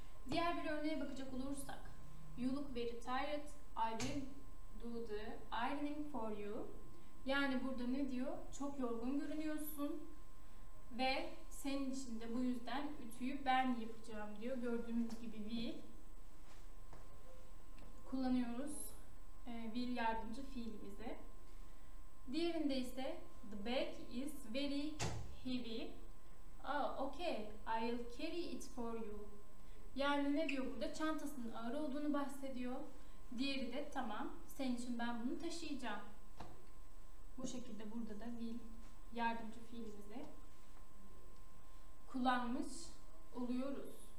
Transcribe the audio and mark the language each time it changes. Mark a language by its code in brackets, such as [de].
[tr] Diğer bir örneğe bakacak olursak, [en] you look very tired, I will do the ironing for you. [tr] Yani burada ne diyor? Çok yorgun görünüyorsun ve senin için de bu yüzden ütüyü ben yapacağım diyor. Gördüğümüz gibi will kullanıyoruz. Will yardımcı fiilimizi. Diğerinde ise [en] the bag is very heavy. Oh, okay, I'll carry it for you. [tr] Yani ne diyor burada? Çantasının ağır olduğunu bahsediyor. Diğeri de tamam, senin için ben bunu taşıyacağım. Bu şekilde burada da will yardımcı fiilimizi kullanmış oluyoruz.